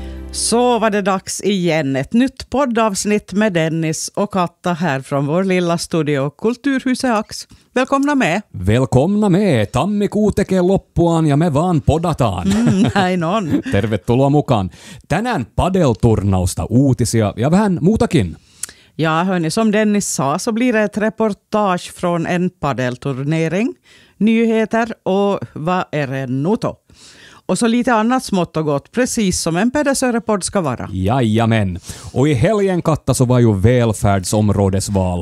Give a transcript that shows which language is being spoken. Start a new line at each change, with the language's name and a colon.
Swedish: Så var det dags igen, ett nytt poddavsnitt med Dennis och Katta här från vår lilla studio Kulturhuset Ax. Välkomna med! Välkomna med!
Finnish: Tammikuuteke loppuan ja me vaan podataan! Näin on! Tervetuloa mukaan! Tänään padelturnausta uutisia ja vähän muutakin!
Swedish: Ja hörni, som Dennis sa så blir det ett reportage från en padelturnering. Nyheter och vad är det nu då? Och så lite annat smått och gott, precis som en pedersörepodd ska vara. Jajamän. Och i helgen, Katta, så var ju välfärdsområdesval.